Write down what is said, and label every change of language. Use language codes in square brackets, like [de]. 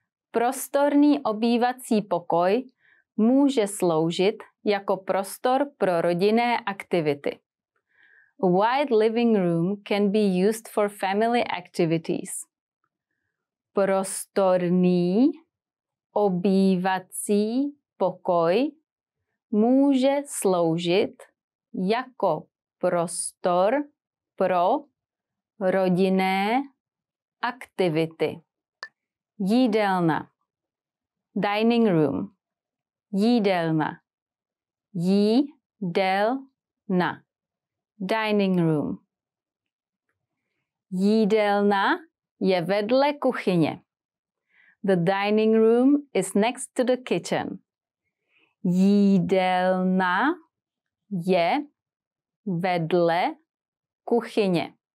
[cs] Prostorný obývací pokoj může sloužit jako prostor pro rodinné aktivity. [en] A wide living room can be used for family activities. [cs] Prostorný obývací pokoj může sloužit jako prostor pro rodinné aktivity. Jídelna. Dining room. Jídelna. Jídelna. Dining room. Jídelna je vedle kuchyně. [en] The dining room is next to the kitchen. [cs] Jídelna je vedle kuchyně.